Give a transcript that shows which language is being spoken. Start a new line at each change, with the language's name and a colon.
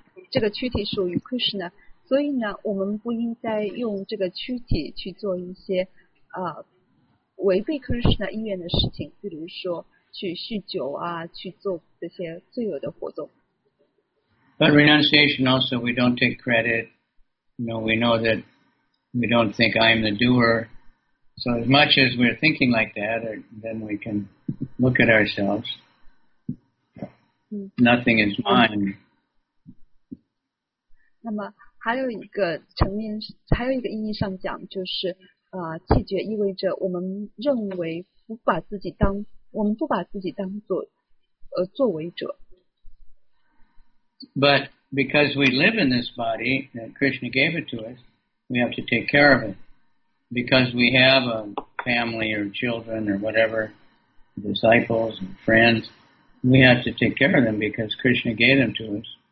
Chinese: 这个躯体属于 Krishna, 所以呢我们不应该用这个躯体去做一些违背 Krishna 意愿的事情，比如说去酗酒啊，去做这些罪恶的活动。
English: But renunciation also, we don't take credit. You know, we know that we don't think I'm the doer. So as much as we're thinking like that, then we can look at ourselves. Nothing is mine.
Chinese: 那么还有一个层面，还有一个意义上讲，就是气绝意味着我们认为不把自己当做作为者。
English: But because we live in this body that Krishna gave it to us, we have to take care of it. Because we have a family or children or whatever, disciples and friends, we have to take care of them because Krishna gave them to us.